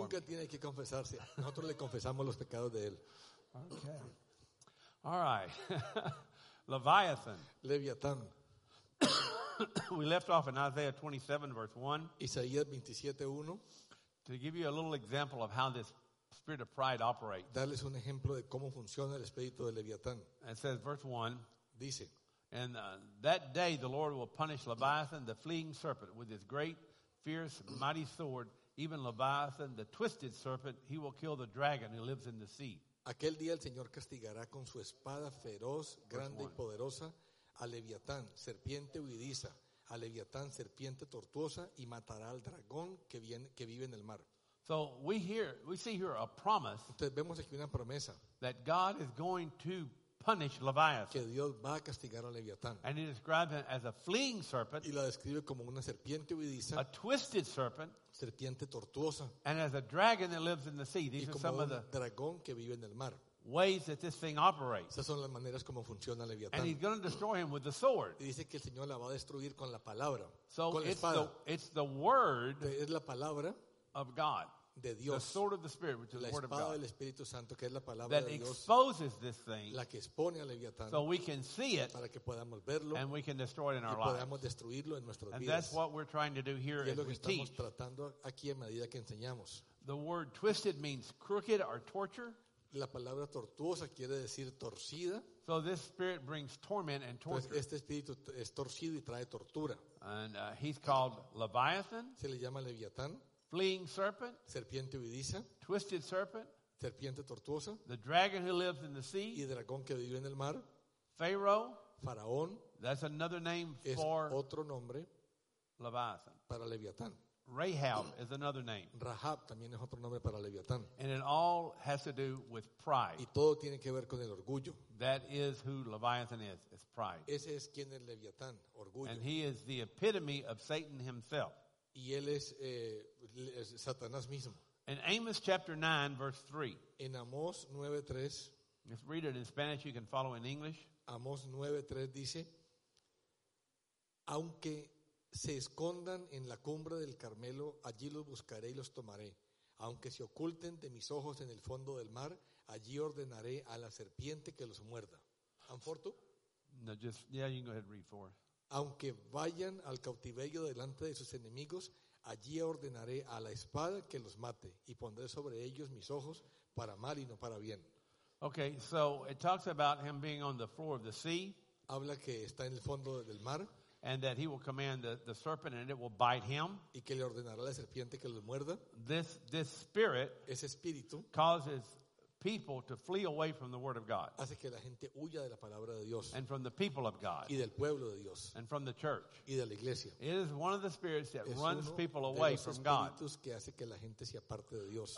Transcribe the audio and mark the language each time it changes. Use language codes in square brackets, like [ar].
[es] Nunca tiene que confesarse. Nosotros le confesamos los pecados de él. [en] Okay. All right. Leviathan. [es] Leviatán. [en] We left off in Isaiah 27, verse 1. [es] Isaías 27:1. [en] To give you a little example of how this spirit of pride operates. [es] Darles un ejemplo de cómo funciona el espíritu de Leviatán. [en] It says, verse 1. [es] Dice. [en] And that day the Lord will punish Leviathan, the fleeing serpent, with his great, fierce, mighty sword. Even Leviathan, the twisted serpent, he will kill the dragon who lives in the sea. [es] Aquel día el Señor castigará con su espada feroz, grande y poderosa. A Leviatán, serpiente huidiza, a Leviatán, serpiente tortuosa, y matará al dragón que vive en el mar. [en] So we see here a promise. [es] Entonces vemos aquí una promesa. [en] That God is going to punish Leviathan. [es] Que Dios va a castigar a Leviatán. [en] And he describes him as a fleeing serpent. [es] Y lo describe como una serpiente huidiza. [en] A twisted serpent. [es] Serpiente tortuosa. [en] And as a dragon that lives in the sea. These [es] y como [en] are some [es] un [en] of the [es] dragón que vive en el mar. [en] Ways that this thing operates. [es] Esas son las maneras como funciona Leviatán. [en] And he's going to destroy him with the sword. [es] Y dice que el Señor la va a destruir con la palabra. [en] So [es] con la espada. [en] It's the word. [es] Es la palabra [en] of God. [es] De Dios. [en] The sword of the Spirit, which is the word of God. [es] La espada del Espíritu Santo, que es la palabra de Dios. [en] That exposes this thing. [es] La que expone a Leviatán. [en] So we can see it. [es] Para que podamos verlo. [en] And we can destroy it in our lives. [es] Y podamos destruirlo en nuestras vidas. [en] And that's what we're trying to do here as we teach. [es] Y es lo que estamos tratando aquí a medida que enseñamos. [en] The word twisted means crooked or torture. [es] La palabra tortuosa quiere decir torcida. [en] So this spirit brings torment and torture. [es] Entonces este espíritu es torcido y trae tortura. [en] And he's called Leviathan. [es] Se le llama Leviatán. [en] Fleeing serpent. [es] Serpiente huidiza. [en] Twisted serpent. [es] Serpiente tortuosa. [en] The dragon who lives in the sea. [es] Y dragón que vive en el mar. [en] Pharaoh. [es] Faraón. [en] That's another name [es] es [en] for [es] otro nombre. [en] Leviathan. [es] Para Leviatán. [en] Rahab is another name. [es] Rahab también es otro nombre para Leviatán. [en] And it all has to do with pride. [es] Y todo tiene que ver con el orgullo. [en] That is who Leviathan is. It's pride. [es] Ese es quien es Leviatán, orgullo. [en] And he is the epitome of Satan himself. [es] Y él es, es Satanás mismo. [en] In Amos chapter 9, verse 3. [es] En Amos 9:3. [en] If read it in Spanish, you can follow in English. [es] Amos 9:3 dice, aunque se escondan en la cumbre del Carmelo, allí los buscaré y los tomaré. Aunque se oculten de mis ojos en el fondo del mar, allí ordenaré a la serpiente que los muerda. ¿Anforto? [en] No, just, yeah, you can go ahead and read for. [es] Aunque vayan al cautiverio delante de sus enemigos, allí ordenaré a la espada que los mate y pondré sobre ellos mis ojos para mal y no para bien. [en] Okay, so it talks about him being on the floor of the sea. [es] Habla que está en el fondo del mar. [en] And that he will command the serpent and it will bite him. [es] Y que le ordenará la serpiente que lo muerda. [en] This spirit [es] ese espíritu [en] causes people to flee away from the Word of God. [es] Hace que la gente huya de la palabra de Dios. [en] And from the people of God. [es] Y del pueblo de Dios. [en] And from the church. [es] Y de la iglesia. [en] It is one of the spirits that runs people away from God. [es] Es uno de los espíritus que hace que la gente se aparte de Dios.